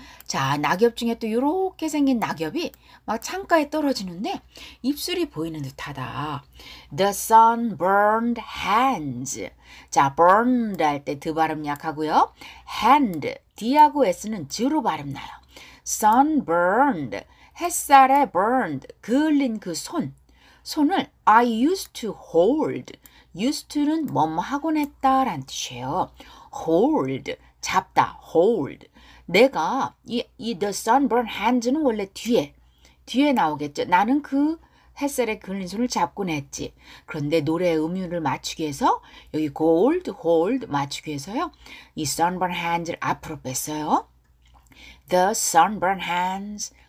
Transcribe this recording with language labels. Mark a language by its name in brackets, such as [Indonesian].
[Korean] 자, 낙엽 중에 또 이렇게 생긴 낙엽이 막 창가에 떨어지는데 입술이 보이는 듯하다. [English] The sun burned hands. [Korean] 자, burned 할때 드 발음 약하고요. Hand, D하고 S는 G로 발음 나요. [English] Sun burned. [Korean] 햇살에 burned, 그을린 그 손. 손을 [English] I used to hold. [Korean] used to는 뭐뭐 하곤 했다란 뜻이에요. [English] hold, [Korean] 잡다, [English] hold. [Korean] 내가, 이 [English] the sun burned hands [Korean] 는 원래 뒤에 나오겠죠. 나는 그 햇살에 그을린 손을 잡곤 했지. 그런데 노래의 음유를 맞추기 위해서, 여기 gold, hold 맞추기 위해서요. [English] 이 sun burned hands를 [Korean] 앞으로 뺐어요. [English] The sun burned hands.